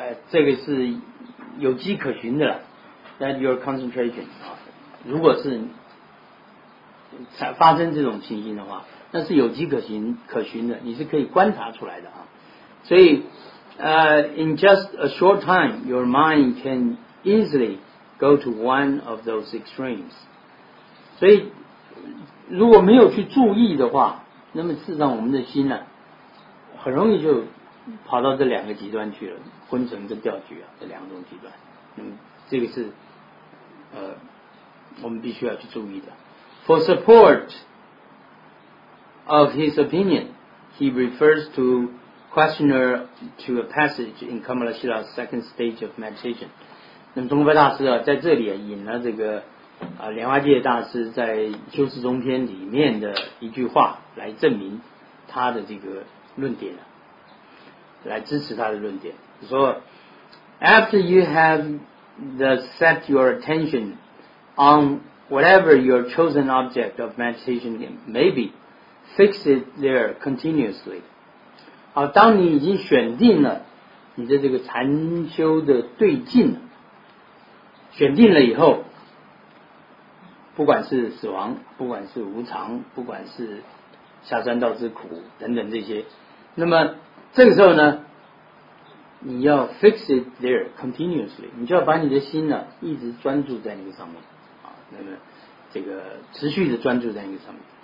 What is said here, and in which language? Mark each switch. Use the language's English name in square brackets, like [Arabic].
[Chinese] 这个是有迹可循的了， that your concentration 啊，如果是发生这种情形的话，那是有迹可循的，你是可以观察出来的啊。 [English] 所以 in just a short time, your mind can easily go to one of those extremes. [Chinese] 所以如果没有去注意的话，那么事实上我们的心呢、很容易就跑到这两个极端去了，昏沉跟掉局啊，这两种极端。那么这个是我们必须要去注意的。 [English] For support of his opinion, he refers to questioner to a passage in Kamala Shila's second stage of meditation. [Chinese] 那么中国大师、在这里、引了这个、莲花界大师在修持中篇里面的一句话来证明他的这个论点，来支持他的论点。 [English] 说 After you have set your attention on whatever your chosen object of meditation may be, fix it there continuously. [Chinese] 好，当你已经选定了你的这个禅修的对境，选定了以后，不管是死亡，不管是无常，不管是下三道之苦等等这些，那么这个时候呢，你要 fix it there continuously，你就要把你的心呢一直专注在那个上面，那么这个持续的专注在那个上面。